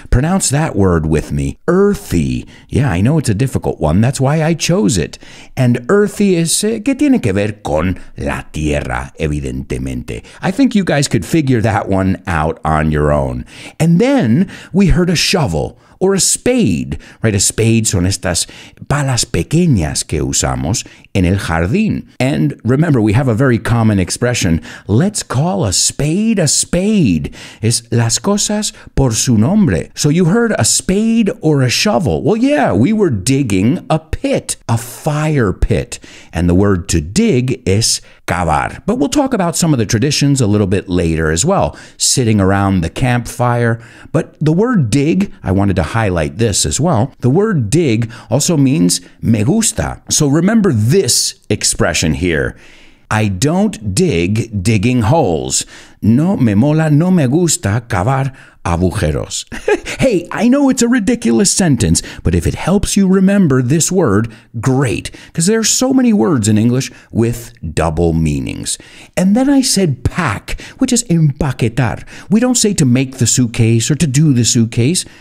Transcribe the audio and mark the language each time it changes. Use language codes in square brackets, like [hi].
[en] Pronounce that word with me. Earthy. Yeah, I know it's a difficult one. That's why I chose it. And earthy is [es] que tiene que ver con la tierra, evidentemente. [en] I think you guys could figure that one out on your own. And then we heard a shovel or a spade, right? [es] A spade son estas palas pequeñas que usamos en el jardín. [en] And remember, we have a very common expression, let's call a spade, [es] es las cosas por su nombre. [en] So you heard a spade or a shovel. Well, yeah, we were digging a pit, a fire pit, and the word to dig is cavar. But we'll talk about some of the traditions a little bit later as well, sitting around the campfire. But the word dig, I wanted to highlight this as well, the word dig also means [es] me gusta. [en] So remember this expression here, I don't dig digging holes. [es] No me mola, no me gusta cavar agujeros. [en] Hey, I know it's a ridiculous sentence, but if it helps you remember this word, great. Because there are so many words in English with double meanings. And then I said pack, which is empaquetar. We don't say to make the suitcase or to do the suitcase.